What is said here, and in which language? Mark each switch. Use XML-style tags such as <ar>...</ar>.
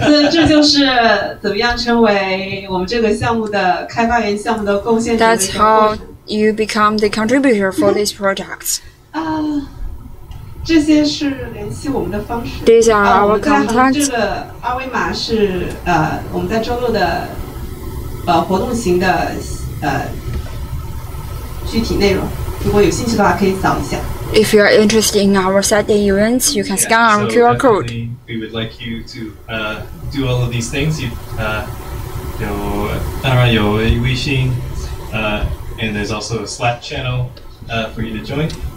<zh>这就是怎么样成为我们这个项目的开发员项目的贡献者。</zh> <en>That's how you become the contributor for this project.</en> <zh>这些是联系我们的方式。</zh> <en>These are our contacts.</en> <zh>这个二维码是我们在周六的活动型的具体内容。如果有兴趣的话，可以扫一下。</zh> <en>If you are interested in our Saturday events, you can scan our QR code. We would like you to do all of these things. You,</en> <zh>有当然有微信</zh> <en>and there's also a Slack channel for you to join.</en>